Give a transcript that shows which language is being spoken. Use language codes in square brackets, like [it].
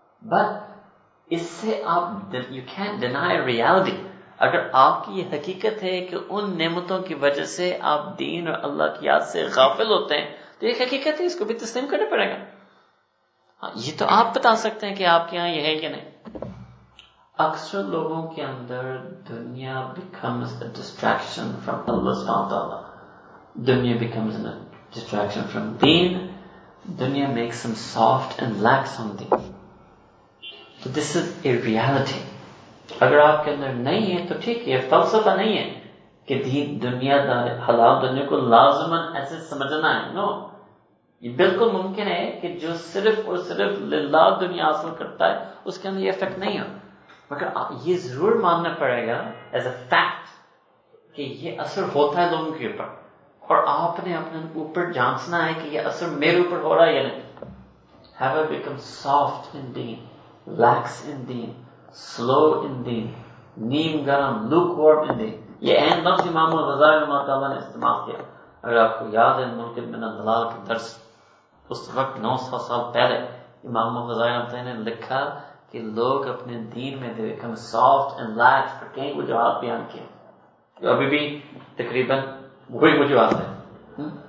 [ur] But اس سے آپ [en] you can deny reality, [ur] اگر آپ کی یہ حقیقت ہے کہ ان نعمتوں کی وجہ سے آپ دین اور اللہ کی یاد سے غافل ہوتے ہیں, تو یہ حقیقت ہے, اس کو بھی تسلیم کرنا پڑے گا. یہ تو آپ بتا سکتے ہیں کہ آپ کے یہاں یہ ہے یا نہیں. اکثر لوگوں کے اندر دنیا [en] becomes a distraction from اللہ سبحانہ وتعالی, دنیا becomes a distraction from دین, دنیا makes them soft and lack something. So this is a reality. [ur] اگر آپ کے اندر نہیں ہے تو ٹھیک ہے, فلسفہ نہیں ہے کہ دین دنیا دار حلال دنیا کو لازمن ایسے سمجھنا ہے. نو, یہ بالکل ممکن ہے کہ جو صرف اور صرف للہ دنیا حاصل کرتا ہے اس کے اندر یہ افیکٹ نہیں ہو, مگر یہ ضرور ماننا پڑے گا [en] as a fact [ur] کہ یہ اثر ہوتا ہے لوگوں کے اوپر, اور آپ نے اپنے اوپر جانچنا ہے کہ یہ اثر میرے اوپر ہو رہا ہے یا نہیں. [en] Have I become soft in deen, lax in deen, slow in deen, [ur] neem garam, [en] lukewarm in deen, [ur] یہ عین لفظ امام الغزالی رحمۃ اللہ نے استعمال کیا. اگر آپ کو یاد ہے ملک ابن دلال کے درس, اس وقت 900 سال پہلے امام الغزالی رحمۃ اللہ نے لکھا کہ لوگ اپنے دین میں [en] they come soft and lax, [ur] اور کئی وجوہات بیان کیے جو ابھی بھی تقریباً وہی وجوہات ہیں.